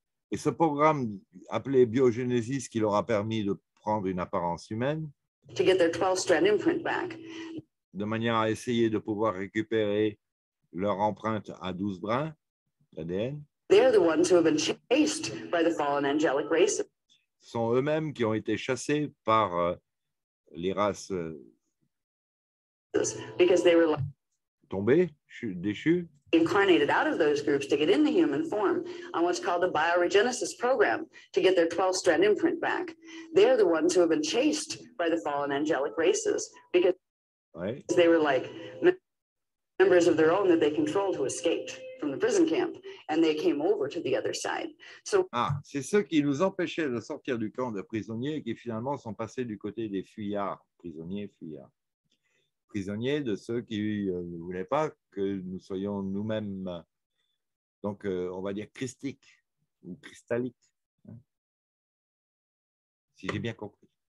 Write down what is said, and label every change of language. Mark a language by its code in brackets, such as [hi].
[fr] Et ce programme appelé biogenesis qui leur a permis de prendre une apparence humaine. [en] To get their 12 strand imprint back. [fr] De manière à essayer de pouvoir récupérer leur empreinte à 12 brins. [en] They're the ones who have been chased by the fallen angelic races. [fr] Sont eux-mêmes qui ont été chassés par les races [en] because they were [fr] tombés, déchus. [en] Incarnated out of those groups to get in the human form on what's called the bioregenesis program to get their 12 strand imprint back. They're the ones who have been chased by the fallen angelic races because right. They were like members of their own that they controlled who escaped. From the prison camp, and they came over to the other side. So, [fr] c'est ceux qui nous empêchaient de sortir du camp de prisonniers et qui finalement sont passés du côté des prisonniers de ceux qui ne voulaient pas que nous soyons nous-mêmes, donc on va dire christiques ou cristalliques, si j'ai bien compris.